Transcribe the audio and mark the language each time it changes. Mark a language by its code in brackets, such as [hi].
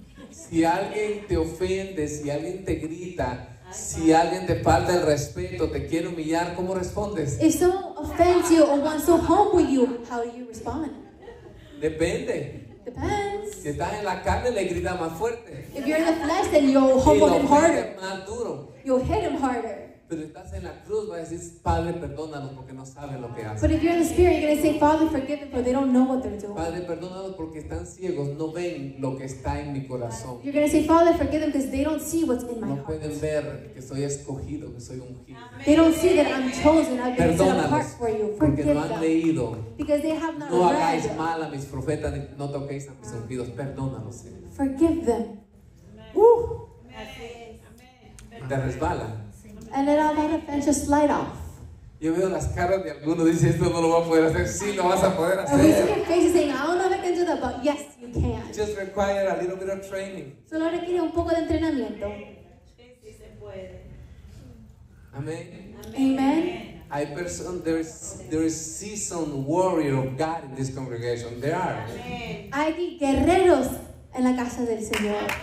[es] Si alguien te ofende, si alguien te grita, si alguien te falta el respeto, te quiere humillar, ¿cómo respondes? [en] If someone offends you or wants to humble you, how do you respond? [es] Depende. [en] Depends. [es] Si estás en la carne, le gritas más fuerte. [en] If you're in the flesh, then you'll humble him harder. [es] Más duro. [en] You'll hit him harder. [es] Pero estás en la cruz, vas a decir, Padre, perdónalos porque no saben lo que hacen. [en] But if you're in the spirit, you're going to say, Father, forgive them, for they don't know what they're doing. [es] Padre, perdónalos porque están ciegos, no ven lo que está en mi corazón. [en] You're going to say, Father, forgive them because they don't see what's in my heart. [es] No pueden ver que soy escogido, que soy ungido. [en] They don't see that I'm chosen, I've been set apart for you. [es] Porque no han leído. [en] Because they have not [es] read. No hagáis mal a mis profetas, no toquéis a mis ungidos. Perdónalos, Señor. [en] Forgive them. [es] Te resbala. [en] And then all that offense just slide off. [es] Yo veo las caras de algunos dice esto no lo va a poder hacer. Sí, lo vas a poder hacer. [en] And we see your faces saying, I don't know if I can do that, but yes, you can. It just require a little bit of training. [es] Solo requiere un poco de entrenamiento. Sí, se puede. [en] Amen. Amen. I person there is seasoned warrior of God in this congregation. There are. [es] Hay guerreros en la casa del Señor.